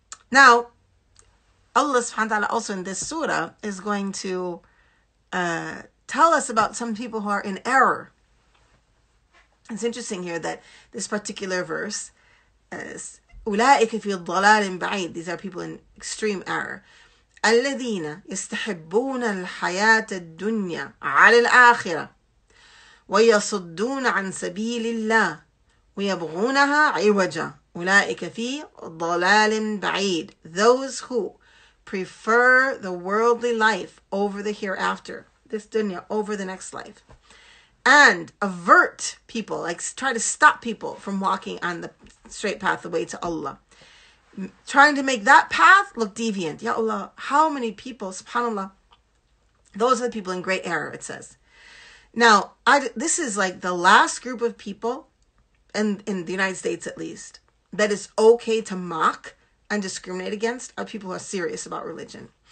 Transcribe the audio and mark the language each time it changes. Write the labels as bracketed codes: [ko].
[en] Now, Allah subhanahu wa ta'ala also in this surah is going to tell us about some people who are in error. It's interesting here that this particular verse is [ar] أُولَٰئِكَ فِي الضَّلَالٍ بَعِيدٍ [en] These are people in extreme error. [ar] أَلَّذِينَ يَسْتَحِبُّونَ الْحَيَاةَ الدُّنْيَا عَلَى الْآخِرَةِ وَيَصُدُّونَ عَن سَبِيلِ اللَّهِ وَيَبْغُونَهَا عِوَجًا أُولَٰئِكَ فِي ضَلَالٍ بَعِيدٍ [en] Those who prefer the worldly life over the hereafter, this dunya, over the next life. and avert people, like try to stop people from walking on the straight path, the way to Allah. Trying to make that path look deviant. Ya Allah, how many people, subhanAllah, those are the people in great error, it says. Now, this is like the last group of people, in the United States at least, that it's okay to mock and discriminate against are people who are serious about religion.